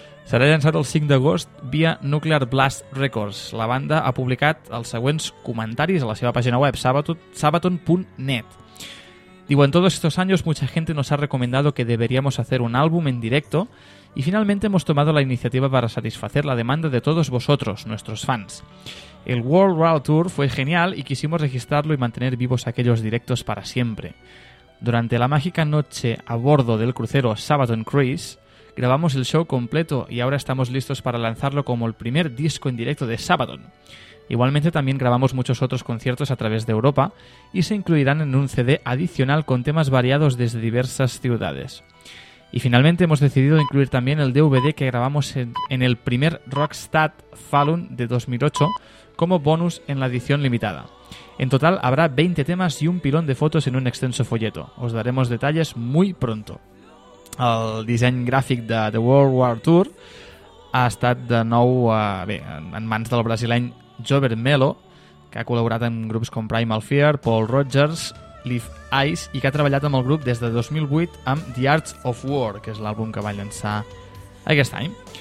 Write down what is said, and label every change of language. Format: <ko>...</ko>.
<ca>Serà llançat el 5 d'agost via Nuclear Blast Records. La banda ha publicat els següents comentaris a la seva pàgina web, sabaton.net. Diuen,</ca> <es>todos estos años mucha gente nos ha recomendado que deberíamos hacer un álbum en directo y finalmente hemos tomado la iniciativa para satisfacer la demanda de todos vosotros, nuestros fans. El World Wild Tour fue genial y quisimos registrarlo y mantener vivos aquellos directos para siempre. Durante la mágica noche a bordo del crucero Sabaton Cruise, grabamos el show completo y ahora estamos listos para lanzarlo como el primer disco en directo de Sabaton. Igualmente también grabamos muchos otros conciertos a través de Europa y se incluirán en un CD adicional con temas variados desde diversas ciudades. Y finalmente hemos decidido incluir también el DVD que grabamos en el primer Rockstad Falun de 2008 como bonus en la edición limitada. En total habrá 20 temas y un pilón de fotos en un extenso folleto. Os daremos detalles muy pronto.</es> <ca>El disseny gràfic de The World War Tour ha estat de nou en mans del brasileny Jover Melo, que ha col·laborat amb grups com Primal Fear, Paul Rodgers, Leaf Ice, i que ha treballat amb el grup des de 2008 amb The Arts of War, que és l'àlbum que va llançar aquest any.</ca>